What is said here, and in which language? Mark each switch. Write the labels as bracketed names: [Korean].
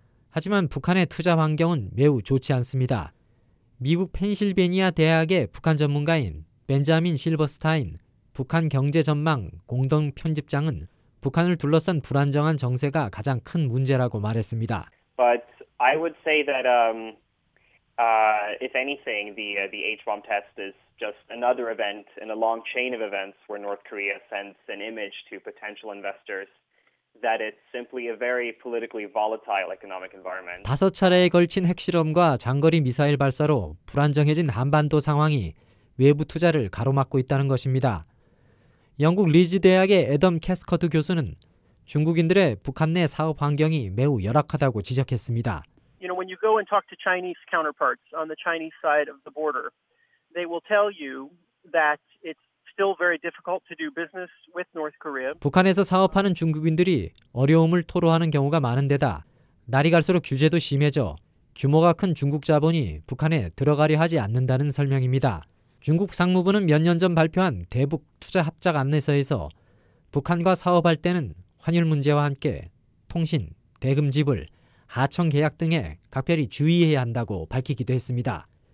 [Korean] 하지만 북한의 투자 환경은 매우 좋지 않습니다. 미국 펜실베니아 대학의 북한 전문가인 벤자민 실버스타인 북한 경제 전망 공동 편집장은 북한을 둘러싼 불안정한 정세가 가장 큰 문제라고 말했습니다. [English] But I would say that if anything the H-bomb test is just another event in a long chain of events where North Korea sends an image to potential investors that it's simply a very politically volatile economic environment. [Korean] 다섯 차례에 걸친 핵실험과 장거리 미사일 발사로 불안정해진 한반도 상황이 외부 투자를 가로막고 있다는 것입니다. 영국 리즈 대학의 애덤 캐스커드 교수는 중국인들의 북한 내 사업 환경이 매우 열악하다고 지적했습니다. [English] You know, when you go and talk to Chinese counterparts on the Chinese side of the border, they will tell you that it's still very difficult to do business with North Korea. [Korean] 북한에서 사업하는 중국인들이 어려움을 토로하는 경우가 많은데다 날이 갈수록 규제도 심해져 규모가 큰 중국 자본이 북한에 들어가려 하지 않는다는 설명입니다. 중국 상무부는 몇 년 전 발표한 대북 투자 합작 안내서에서 북한과 사업할 때는 환율 문제와 함께 통신, 대금 지불, 하청 계약 등에 각별히 주의해야 한다고 밝히기도 했습니다.